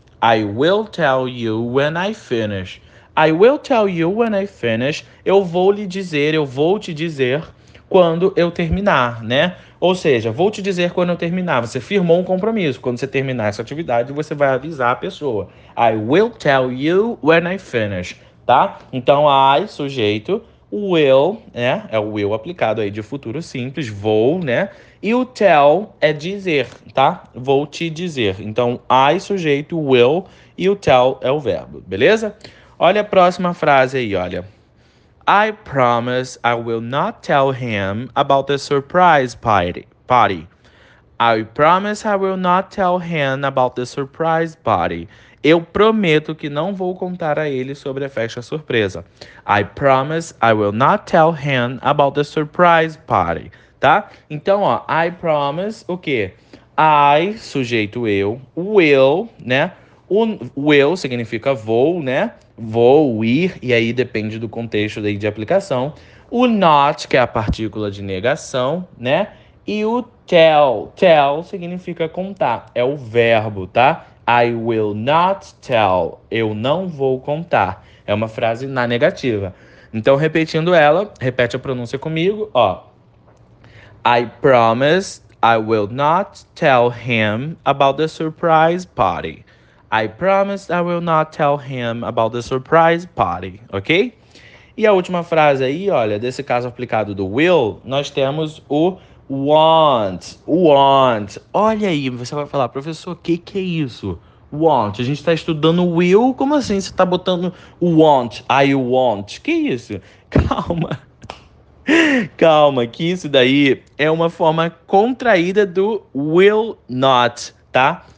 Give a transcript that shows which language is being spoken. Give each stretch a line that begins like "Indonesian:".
English: I will tell you when I finish. I will tell you when I finish.
Portuguese: Eu vou lhe dizer, eu vou te dizer quando eu terminar, né? Ou seja, vou te dizer quando eu terminar. Você firmou um compromisso. Quando você terminar essa atividade, você vai avisar a pessoa.
English: I will tell you when I finish, tá?
Portuguese: Então, I, sujeito. Will, né? É o will aplicado aí de futuro simples. Vou, né? E o tell é dizer, tá? Vou te dizer. Então, I, sujeito, will. E o tell é o verbo, beleza? Olha a próxima frase aí, olha.
English: I promise I will not tell him about the surprise party. I promise I will not tell him about the surprise party.
Portuguese: Eu prometo que não vou contar a ele sobre a festa surpresa.
English: I promise I will not tell him about the surprise party.
Portuguese: Tá? Então, ó,
English: I promise
Portuguese: o quê? I, sujeito eu, will, né? O will significa vou, né? Vou ir, e aí depende do contexto daí de aplicação. O not, que é a partícula de negação, né? E o tell significa contar, é o verbo, tá?
English: I will not tell.
Portuguese: Eu não vou contar. É uma frase na negativa. Então, repetindo ela, repete a pronúncia comigo, ó.
English: I promise I will not tell him about the surprise party. I promise I will not tell him about the surprise party, ok?
Portuguese: E a última frase aí, olha, desse caso aplicado do will, nós temos o want. Want. Olha aí, você vai falar, professor, o que que é isso? Want. A gente está estudando will, como assim você está botando want? I want. Que isso? Calma. Calma, que isso daí é uma forma contraída do will not, tá?